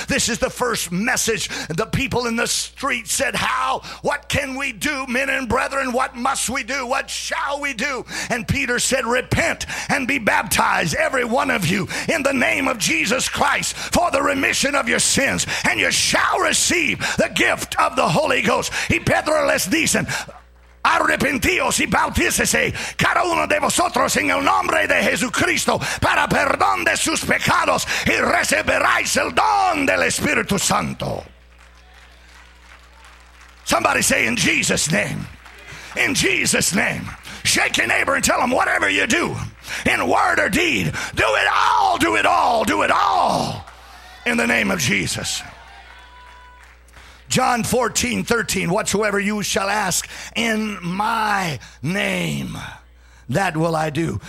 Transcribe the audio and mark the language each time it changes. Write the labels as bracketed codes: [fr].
[en] This is the first message. The people in the street said, how? What can we do, men and brethren? What must we do? What shall we do? And Peter said, repent and be baptized, every one of you, in the name of Jesus Christ for the remission of your sins, and you shall receive the gift of the Holy Ghost. [es] Y Pedro les dicen, arrepentíos y bautícese cada uno de vosotros en el nombre de Jesucristo para perdón de sus pecados y recibiréis el don del Espíritu Santo. [en] Somebody say, in Jesus' name. In Jesus' name. Shake your neighbor and tell them, whatever you do, in word or deed, do it all, do it all, do it all in the name of Jesus. John 14, 13, whatsoever you shall ask in my name, that will I do.